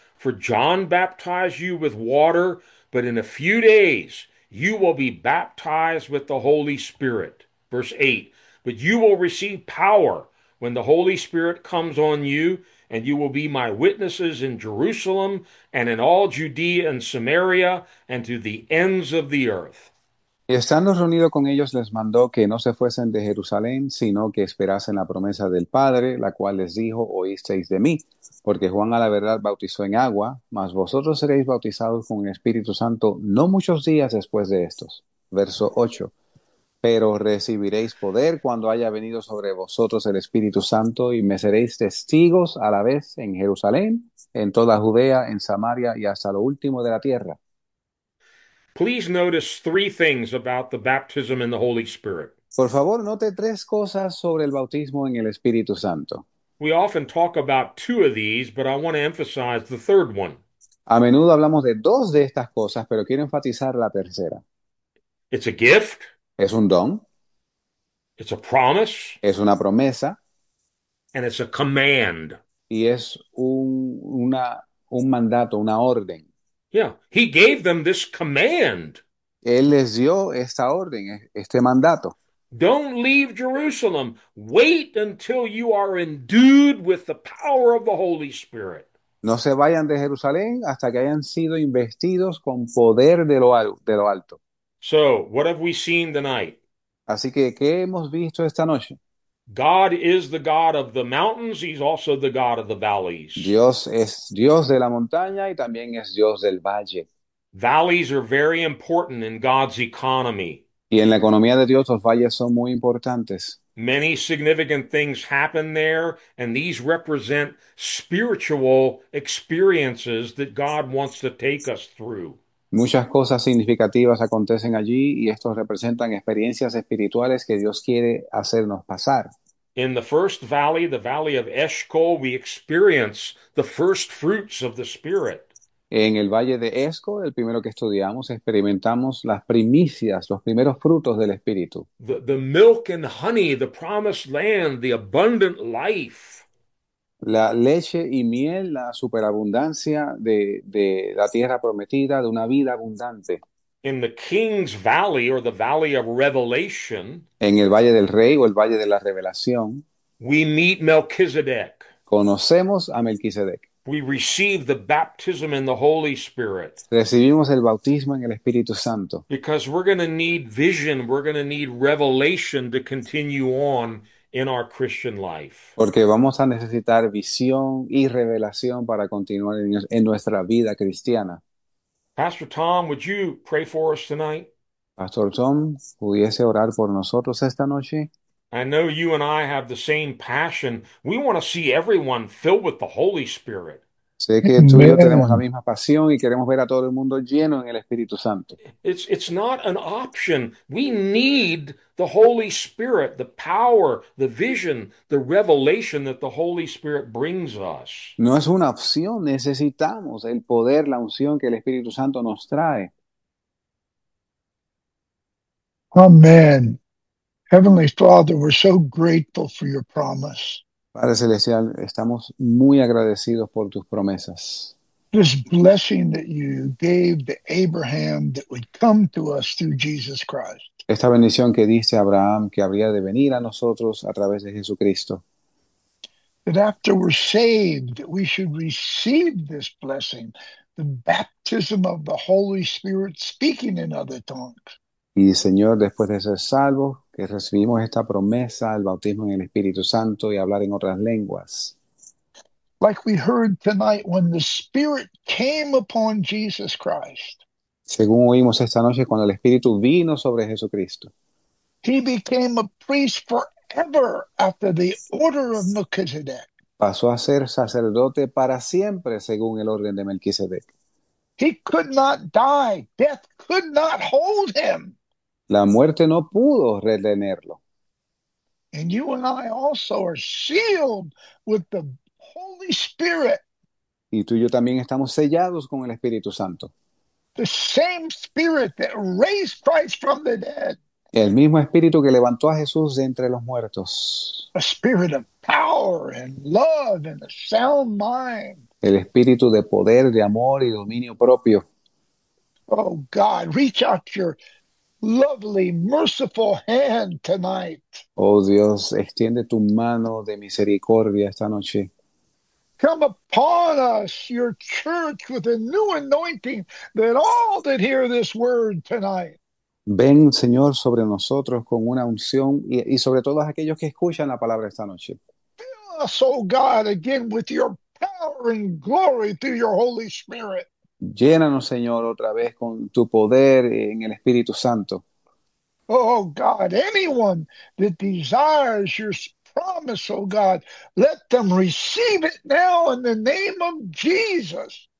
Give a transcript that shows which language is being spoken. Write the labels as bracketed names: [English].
[English] For John baptized you with water, but in a few days you will be baptized with the Holy Spirit. Verse 8. But you will receive power when the Holy Spirit comes on you, and you will be my witnesses in Jerusalem and in all Judea and Samaria and to the ends of the earth. [Spanish] Y estando reunido con ellos, les mandó que no se fuesen de Jerusalén, sino que esperasen la promesa del Padre, la cual les dijo: Oísteis de mí, porque Juan a la verdad bautizó en agua, mas vosotros seréis bautizados con el Espíritu Santo no muchos días después de estos. Verso 8. Pero recibiréis poder cuando haya venido sobre vosotros el Espíritu Santo y me seréis testigos a la vez en Jerusalén, en toda Judea, en Samaria y hasta lo último de la tierra. [English] Please notice three things about the baptism in the Holy Spirit. [Spanish] Por favor, note tres cosas sobre el bautismo en el Espíritu Santo. [English] We often talk about two of these, but I want to emphasize the third one. [Spanish] A menudo hablamos de dos de estas cosas, pero quiero enfatizar la tercera. [English] It's a gift. [Spanish] Es un don. [English] It's a promise. [Spanish] Es una promesa. [English] And it's a command. [Spanish] Y es un mandato, una orden. [English] Yeah, he gave them this command. [Spanish] Él les dio esta orden, este mandato. [English] Don't leave Jerusalem. Wait until you are endued with the power of the Holy Spirit. [Spanish] No se vayan de Jerusalén hasta que hayan sido investidos con poder de lo alto. [English] So, what have we seen tonight? [Spanish] Así que, ¿qué hemos visto esta noche? [English] God is the God of the mountains, he's also the God of the valleys. [Spanish] Dios es Dios de la montaña y también es Dios del valle. [English] Valleys are very important in God's economy. [Spanish] Y en la economía de Dios, los valles son muy importantes. [English] Many significant things happen there, and these represent spiritual experiences that God wants to take us through. [Spanish] Muchas cosas significativas acontecen allí y estos representan experiencias espirituales que Dios quiere hacernos pasar. [English] In the first valley, the valley of Eshcol, we experience the first fruits of the Spirit. [Spanish] En el valle de Esco, el primero que estudiamos, experimentamos las primicias, los primeros frutos del Espíritu. [English] The milk and honey, the promised land, the abundant life. [Spanish] La leche y miel, la superabundancia de la tierra prometida, de una vida abundante. [English] In the King's Valley or the Valley of Revelation, [Spanish] En el Valle del Rey o el Valle de la Revelación, [English] we meet Melchizedek. [Spanish] conocemos a Melquisedec. [English] We receive the baptism in the Holy Spirit. [Spanish] Recibimos el bautismo en el Espíritu Santo. [English] Because we're going to need vision, we're going to need revelation to continue on in our Christian life. [Spanish] Porque vamos a necesitar visión y revelación para continuar en nuestra vida cristiana. [English] Pastor Tom, would you pray for us tonight? [Spanish] Pastor Tom, ¿pudiese orar por nosotros esta noche? [English] I know you and I have the same passion. We want to see everyone filled with the Holy Spirit. [Spanish] Sé que tú y yo tenemos la misma pasión y queremos ver a todo el mundo lleno en el Espíritu Santo. [English] It's not an option. We need the Holy Spirit, the power, the vision, the revelation that the Holy Spirit brings us. [Spanish] No es una opción, necesitamos el poder, la unción que el Espíritu Santo nos trae. Amén. [English] Heavenly Father, we're so grateful for your promise. [Spanish] Padre Celestial, estamos muy agradecidos por tus promesas. [English] This blessing that you gave to Abraham that would come to us through Jesus Christ. [Spanish] Esta bendición que diste a Abraham que habría de venir a nosotros a través de Jesucristo. [English] That after we're saved, that we should receive this blessing, the baptism of the Holy Spirit speaking in other tongues. [Spanish] Y Señor, después de ser salvos, que recibimos esta promesa, el bautismo en el Espíritu Santo y hablar en otras lenguas. [English] Like we heard tonight, when the Spirit came upon Jesus Christ, [Spanish] Según oímos esta noche, cuando el Espíritu vino sobre Jesucristo. [English] he became a priest forever after the order of Melchizedek. [Spanish] Pasó a ser sacerdote para siempre, según el orden de Melquisedec. [English] He could not die, death could not hold him. [Spanish] La muerte no pudo retenerlo. [English] And you and I also are sealed with the Holy Spirit, [Spanish] Y tú y yo también estamos sellados con el Espíritu Santo. [English] the same Spirit that raised Christ from the dead. [Spanish] El mismo espíritu que levantó a Jesús de entre los muertos. [English] A spirit of power and love and a sound mind. [Spanish] El espíritu de poder, de amor y dominio propio. [English] Oh God, reach out your lovely, merciful hand tonight. [Spanish] Oh Dios, extiende tu mano de misericordia esta noche. [English] Come upon us, your church, with a new anointing that all that hear this word tonight. [Spanish] Ven, Señor, sobre nosotros con una unción y sobre todos aquellos que escuchan la palabra esta noche. [English] Us, oh God, again with your power and glory through your Holy Spirit. [Spanish] Llénanos, Señor, otra vez con tu poder en el Espíritu Santo. [English] Oh God, anyone that desires your promise, oh God, let them receive it now in the name of Jesus.